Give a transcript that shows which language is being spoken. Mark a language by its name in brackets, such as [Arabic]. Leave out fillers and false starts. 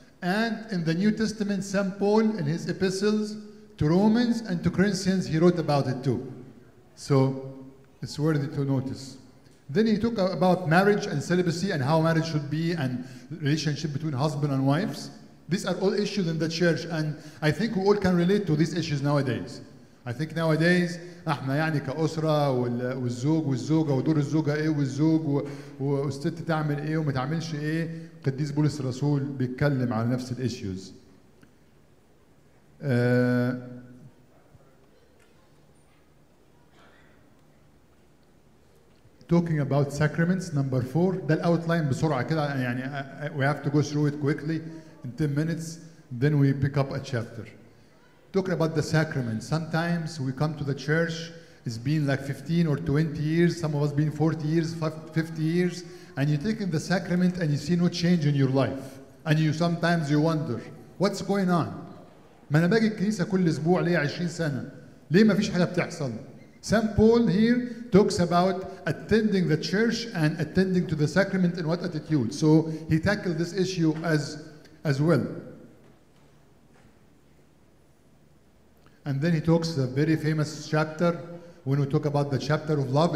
[English] And in the New Testament, St. Paul in his epistles to Romans and to Corinthians, he wrote about it too. So it's worthy to notice. Then he talked about marriage and celibacy and how marriage should be and relationship between husband and wives. These are all issues in the church. And I think we all can relate to these issues nowadays. I think nowadays, [Arabic] احنا يعني كأسرة والزوج والزوجة ودور الزوجة ايه والزوج والست تعمل ايه وما تعملش ايه. قديس بولس الرسول بيتكلم على نفس الاشيوز. [English] Talking about sacraments, number four. [Arabic] ده الاوتلاين بسرعة كده يعني [English] we have to go through it quickly in 10 minutes, then we pick up a chapter. Talking about the sacraments, sometimes we come to the church, it's been like 15 or 20 years, some of us been 40 years, 50 years, and you take in the sacrament and you see no change in your life. And you sometimes you wonder, what's going on? [Arabic] ما أنا باجي الكنيسة كل أسبوع ليه 20 سنة. ليه ما فيش حاجة بتحصل؟ St. [English] Paul here talks about attending the church and attending to the sacrament in what attitude. So he tackled this issue as well. And then he talks the very famous chapter when we talk about the chapter of love.